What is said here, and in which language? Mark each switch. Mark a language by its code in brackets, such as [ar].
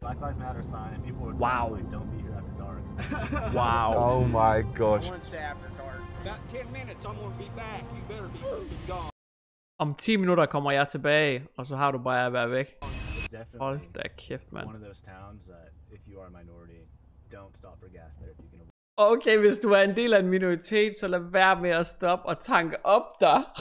[en] Black Lives Matter sign, and people are telling me, don't be here after dark. Wow. Oh my gosh. I won't say after dark. About 10 minutes, I'm gonna be back. You better be gone. [da] Om 10 minutter kommer jeg tilbage, og så har du bare at være væk. [en] Definitely. [da] Hold da kæft, mand. [en] One of those towns that if you are a minority, don't stop for gas there if you can. [da] Okay, hvis du er en del af en minoritet, så lad være med at stoppe og tanke op der.